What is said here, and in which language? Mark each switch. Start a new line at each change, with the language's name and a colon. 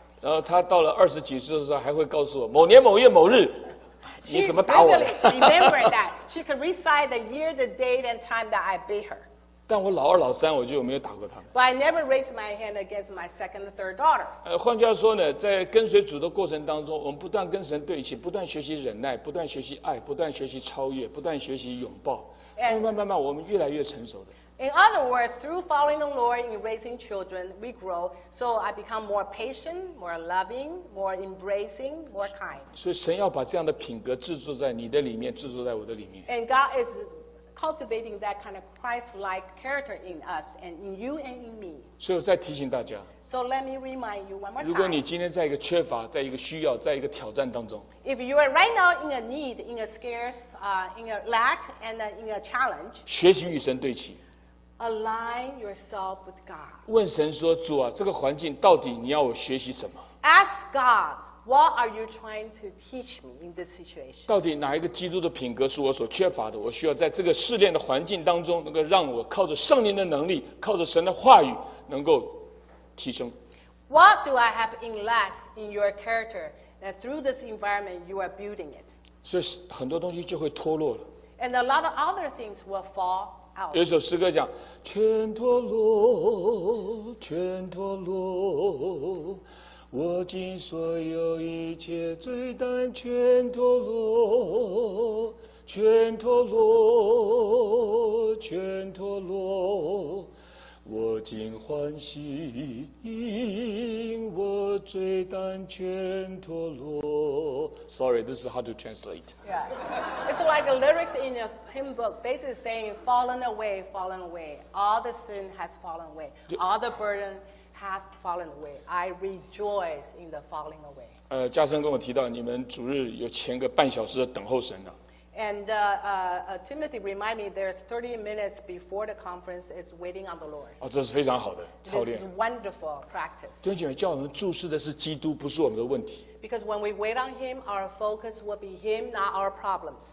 Chinese: 然后他到了二十几岁的时候，还会告诉我某年某月某日。
English: She vividly remembered that. She could recite the year, the date, and time that I beat her.
Chinese: 但我老二老三我就没有打过他们。
English: But I never raised my hand against my second or third daughters.
Chinese: 换句话说呢，在跟随主的过程当中，我们不断跟神对齐，不断学习忍耐，不断学习爱，不断学习超越，不断学习拥抱。
English: And
Chinese: 慢慢我们越来越成熟的。
English: In other words, through following the Lord and raising children, we grow. So I become more patient, more loving, more embracing, more kind.
Chinese: 所以神要把这样的品格制作在你的里面，制作在我的里面。
English: And God is cultivating that kind of Christ-like character in us and in you and in me.
Chinese: 所以我再提醒大家。
English: So let me remind you one more time.
Chinese: 如果你今天在一个缺乏，在一个需要，在一个挑战当中。
English: If you are right now in a need, in a scarce, in a lack, and in a challenge.
Chinese: 学习与神对齐。
English: Align yourself with God.
Chinese: 问神说，主啊，这个环境到底你要我学习什么？
English: Ask God, what are you trying to teach me in this situation?
Chinese: 到底哪一个基督的品格是我所缺乏的？我需要在这个试炼的环境当中，能够让我靠着圣灵的能力，靠着神的话语，能够提升。
English: What do I have in lack in your character that through this environment you are building it?
Chinese: 所以很多东西就会脱落了。
English: And a lot of other things will fall. Out.
Chinese: 有一首诗歌讲，全脱落，全脱落，我尽所有一切罪担全脱落，全脱落，全脱落，我尽欢喜，我罪担全脱落。
English: Sorry, this is hard to translate. Yeah, it's like a lyrics in a hymn book, basically saying, fallen away, all the sin has fallen away, all the burden have fallen away. I rejoice in the falling away.
Chinese: 嘉生跟我提到，你们主日有前个半小时的等候神呢。
English: And Timothy remind me there's 30 minutes before the conference is waiting on the Lord.
Chinese: 这是非常好的操练。
English: This is wonderful practice.
Chinese: 弟兄姐妹，叫我们注视的是基督，不是我们的问题。
English: Because when we wait on Him, our focus will be Him, not our problems.